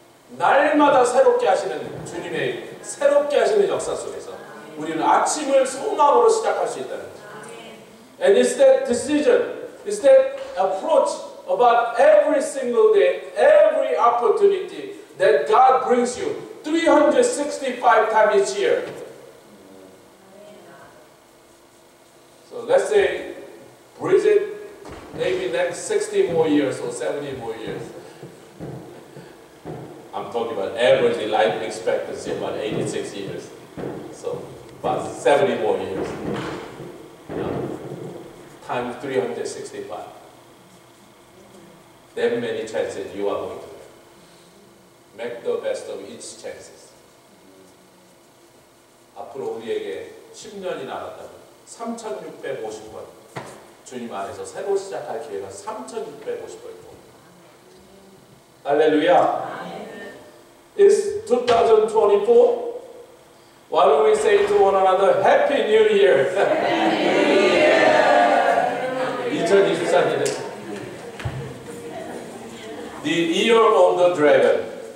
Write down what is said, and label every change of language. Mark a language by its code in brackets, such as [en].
[ko] 날마다 새롭게 하시는 주님의 새롭게 하시는 역사 속에서 우리는 아침을 소망으로 시작할 수 있다는 거죠. [en] And it's that decision, it's that approach about every single day, every opportunity that God brings you 365 times each year. So let's say, breathe it, maybe next 60 more years or 70 more years. I'm talking about average life expectancy about 86 years. So, about 70 more years. You know, times 365. That many chances you are going to have. Make the best of each chances. [ko] 앞으로 우리에게 10년이 남았다면 3650번 주님 안에서 새로 시작할 기회가 3650번이고 할렐루야! [en] It's 2024. Why don't we say to one another, Happy New Year! Happy New Year! [ko] 2023년. [en] The year of the dragon.